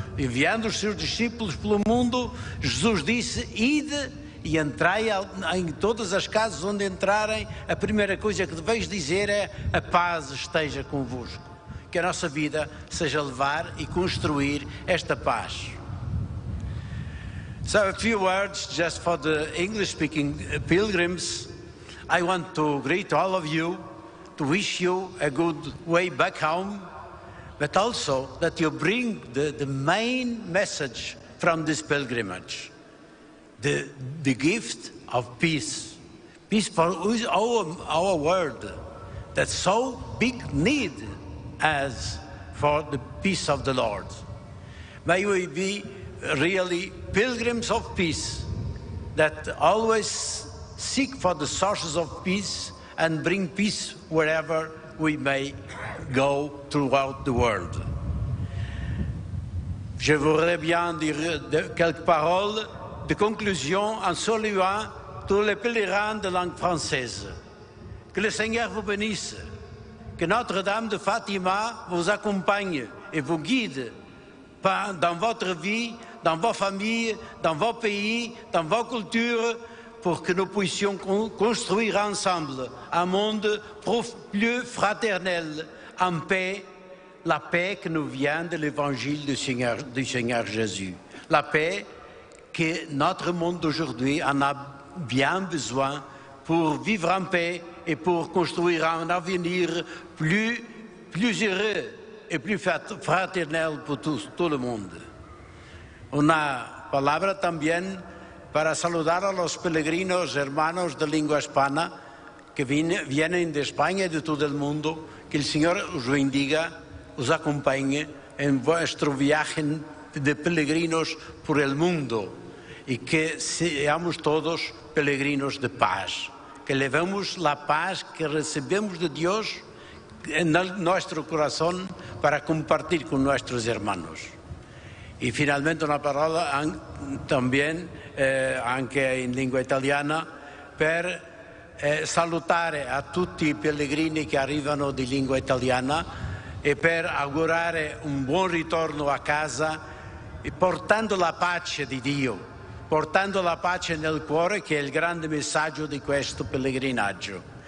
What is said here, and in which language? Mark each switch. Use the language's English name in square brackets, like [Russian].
[Portuguese] Enviando os seus discípulos pelo mundo, Jesus disse: ide e entrai em todas as casas onde entrarem, a primeira coisa que deveis dizer é: a paz esteja convosco. Que a nossa vida seja levar e construir esta paz. [English] So a few words just for the English speaking pilgrims. I want to greet all of you, to wish you a good way back home, but also that you bring the main message from this pilgrimage, the gift of peace for our world, that so big need as for the peace of the Lord. May we be really pilgrims of peace, that always seek for the sources of peace and bring peace wherever we may go throughout the world. [French] Je voudrais bien dire quelques paroles de conclusion en saluant tous les pèlerins de langue française. Que le Seigneur vous bénisse, que Notre-Dame de Fatima vous accompagne et vous guide dans votre vie, dans vos familles, dans vos pays, dans vos cultures, pour que nous puissions construire ensemble un monde plus fraternel, en paix, la paix que nous vient de l'Évangile du Seigneur Jésus. La paix que notre monde d'aujourd'hui en a bien besoin pour vivre en paix et pour construire un avenir plus heureux et plus fraternel pour tout le monde. On a parlé [Spanish] también para saludar a los peregrinos hermanos de lengua hispana que vienen de España y de todo el mundo, que el Señor os bendiga, os acompañe en vuestro viaje de peregrinos por el mundo y que seamos todos peregrinos de paz, que levemos la paz que recibimos de Dios en nuestro corazón para compartir con nuestros hermanos. Y finalmente una palabra también, [Italian] anche in lingua italiana, per salutare a tutti i pellegrini che arrivano di lingua italiana e per augurare un buon ritorno a casa, portando la pace di Dio, portando la pace nel cuore, che è il grande messaggio di questo pellegrinaggio.